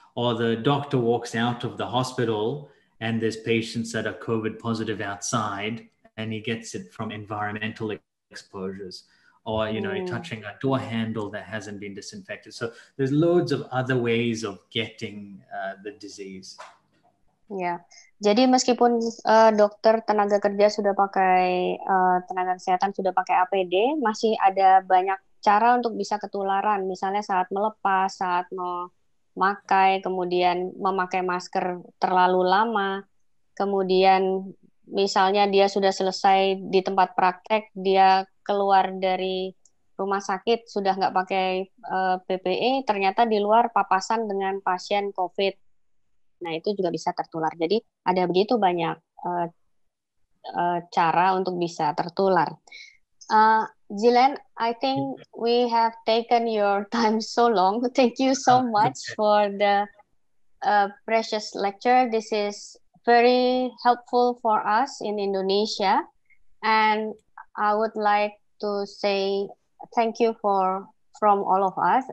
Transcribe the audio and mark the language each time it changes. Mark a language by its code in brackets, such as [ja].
[en] Or the doctor walks out of the hospital and there's patients that are COVID positive outside and he gets it from environmental exposures, or, you know, touching a door handle that hasn't been disinfected. So there's loads of other ways of getting the disease. Yeah. [id] Jadi meskipun dokter tenaga kerja sudah pakai, tenaga kesehatan sudah pakai APD, masih ada banyak cara untuk bisa ketularan, misalnya saat melepas, saat memakai, kemudian memakai masker terlalu lama, kemudian misalnya dia sudah selesai di tempat praktek, dia keluar dari rumah sakit, sudah nggak pakai PPE, ternyata di luar papasan dengan pasien COVID. Nah, itu juga bisa tertular. Jadi, ada begitu banyak cara untuk bisa tertular. [en] Jilan, I think we have taken your time so long. Thank you so much for the precious lecture. This is very helpful for us in Indonesia. And I would like to say thank you from all of us.